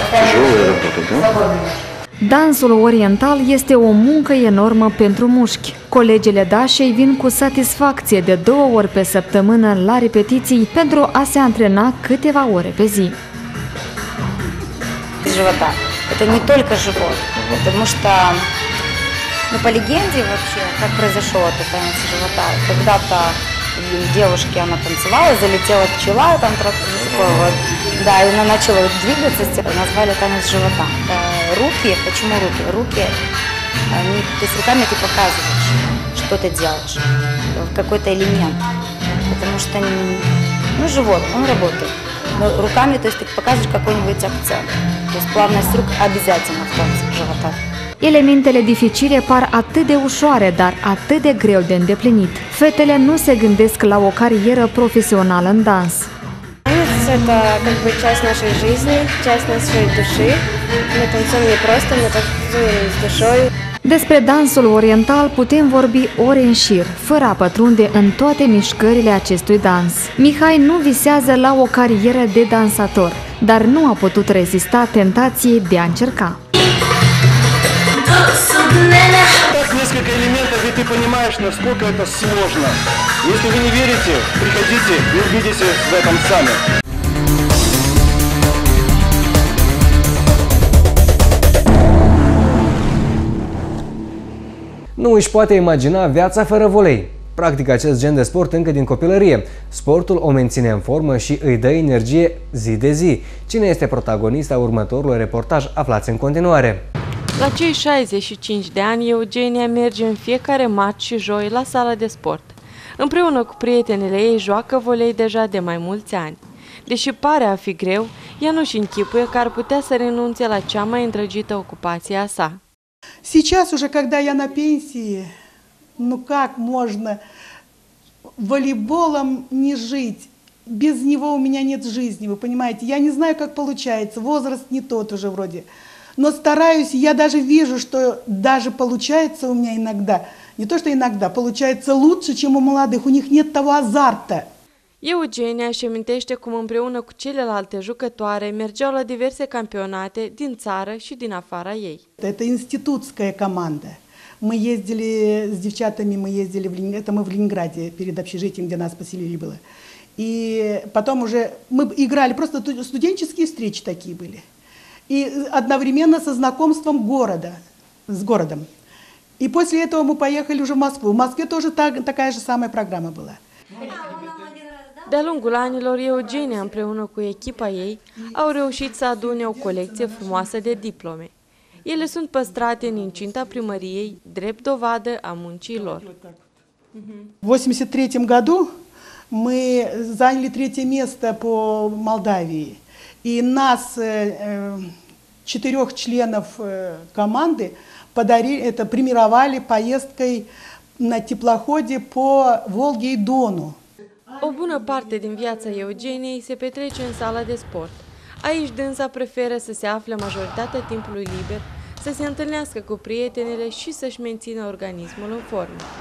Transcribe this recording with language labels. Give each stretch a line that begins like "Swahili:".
Romanian: Joul e robotă, da? Dansul oriental este o muncă enormă pentru mușchi. Colegele Dashei vin cu satisfacție de 2 ori pe săptămână la repetiții pentru a se antrena câteva ore pe zi.
Russian: Живота. Это не только живот, потому что ну по легенде вообще, как произошло это танец живота. Когда-то девушке она танцевала, залетела пчела там такой вот. Да, и она начала двигаться, назвали танец живота. Руки, почему руки? Руки, они, ты с руками ты показываешь, что ты делаешь, какой-то элемент. Потому что, ну, живот, он работает. Но руками, то есть ты показываешь какой-нибудь акцент. То есть плавность рук обязательно в танце живота.
Romanian: Elementele dificile par atât de ușoare, dar atât de greu de îndeplinit. Fetele nu se gândesc la o carieră profesională în dans.
Russian: Это как бы часть нашей жизни, часть нашей души. Мы танцуем не просто, мы танцуем с душой.
Romanian: Despre dansul oriental putem vorbi ore în șir, fără a pătrunde în toate mișcările acestui dans. Mihai nu visează la o carieră de dansator, dar nu a putut rezista tentației de a încerca.
Russian: Несколько элементов, и ты понимаешь, насколько это сложно. Если вы не верите, приходите и убедитесь в этом сами.
Romanian: Nu își poate imagina viața fără volei. Practic acest gen de sport încă din copilărie. Sportul o menține în formă și îi dă energie zi de zi. Cine este protagonista următorului reportaj, aflați în continuare. La cei 65 de ani, Eugenia merge în fiecare marți și joi la sala de sport. Împreună cu prietenele ei, joacă volei deja de mai mulți ani. Deși pare a fi greu, ea nu-și închipuie că ar putea să renunțe la cea mai îndrăgită ocupație a sa.
Russian: Сейчас уже, когда я на пенсии, ну как можно волейболом не жить? Без него у меня нет жизни, вы понимаете? Я не знаю, как получается, возраст не тот уже вроде. Но стараюсь, я даже вижу, что даже получается у меня иногда, не то что иногда, получается лучше, чем у молодых, у них нет того азарта.
Romanian: Eugenia își amintește cum împreună cu celelalte jucătoare mergeau la diverse campionate din țară și din afara ei.
Russian: Это институтская команда. Мы ездили с девчатами, мы ездили в Ленинград, это мы в Ленинграде перед общежитием, где нас поселили было. И потом уже мы играли просто студенческие встречи такие были. И одновременно со знакомством города, с городом. И после этого мы поехали уже в Москву. В Москве тоже такая же самая программа была.
Romanian: De-a lungul anilor, Eugenia împreună cu echipa ei au reușit să adune o colecție frumoasă de diplome. Ele sunt păstrate în incinta primăriei, drept dovadă a muncii lor.
Russian: În 83-м году мы заняли третье место по Молдавии. И нас четырех членов команды подарили, это премировали поездкой на теплоходе по Волге и Дону.
Romanian: O bună parte din viața Eugeniei se petrece în sala de sport. Aici dânsa preferă să se afle majoritatea timpului liber, să se întâlnească cu prietenele și să-și mențină organismul în formă.